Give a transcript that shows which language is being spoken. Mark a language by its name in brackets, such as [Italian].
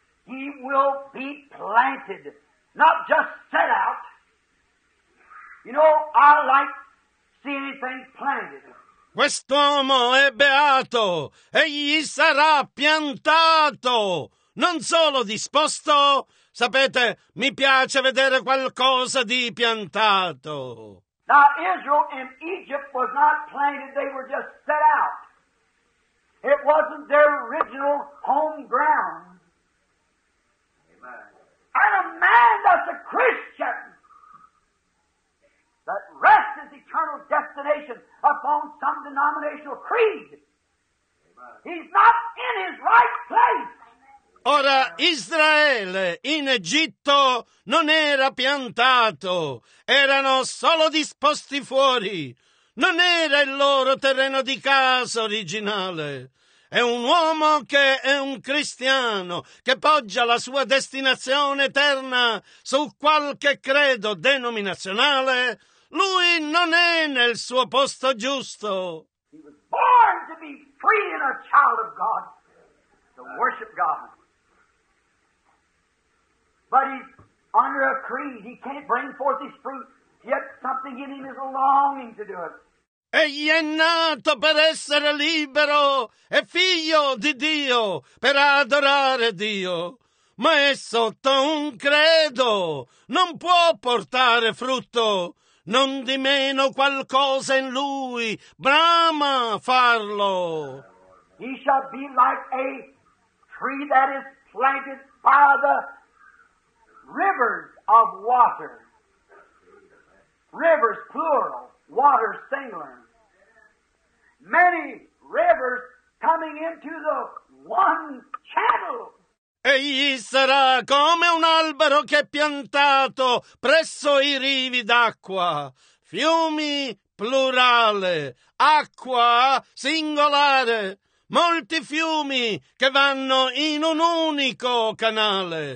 [English] He will be planted, not just set out. You know, I like seeing anything planted. [Italian] Quest'uomo è beato, egli sarà piantato, non solo disposto. Sapete, mi piace vedere qualcosa di piantato. [English] Now Israel and Egypt was not planted, they were just set out. It wasn't their original home ground. Amen. And a man that's a Christian that rests his eternal destination upon some denominational creed. Amen. He's not in his right place. [Italian] Ora, Israele in Egitto non era piantato, erano solo disposti fuori, non era il loro terreno di casa originale. È un uomo che è un cristiano, che poggia la sua destinazione eterna su qualche credo denominazionale, lui non è nel suo posto giusto. [English] He was born to be free and a child of God, to worship God. But he's under a creed. He can't bring forth his fruit. Yet something in him is a longing to do it. [Italian] Egli è nato per essere libero, è figlio di Dio, per adorare Dio. Ma è sotto un credo. Non può portare frutto. Non di meno qualcosa in lui brama farlo. [English] He shall be like a tree that is planted by the rivers of water. Rivers, plural. Water, singular. Many rivers coming into the one channel. [Italian] Egli sarà come un albero che è piantato presso i rivi d'acqua. Fiumi, plurale. Acqua, singolare. Molti fiumi che vanno in un unico canale.